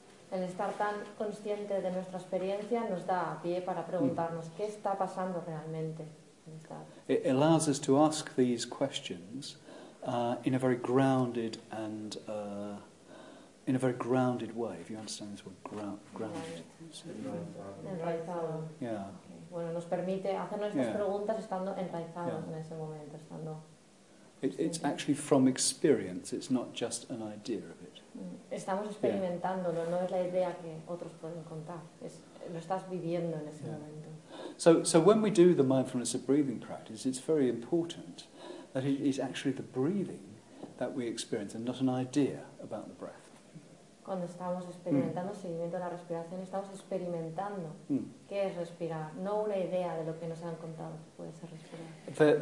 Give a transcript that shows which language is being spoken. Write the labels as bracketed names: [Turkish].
[Spanish] El estar tan consciente de nuestra experiencia nos da pie para preguntarnos qué está pasando realmente. [English] It allows us to ask these questions in a very grounded and in a very grounded way. If you understand this word, grounded. [Spanish] Enraizado. [English] Yeah. [Spanish] Bueno, nos permite hacernos estas preguntas estando enraizados en ese momento, estando. [English] It's actually from experience. It's not just an idea of it. [Spanish] Estamos experimentándolo. No es la idea que otros pueden contar. Lo estás viviendo en ese momento. [English] So when we do the mindfulness of breathing practice, it's very important that it is actually the breathing that we experience and not an idea about the breath. [Spanish] Cuando estamos experimentando seguimiento de la respiración, estamos experimentando qué es respirar, no una idea de lo que nos han contado que puede ser respirar.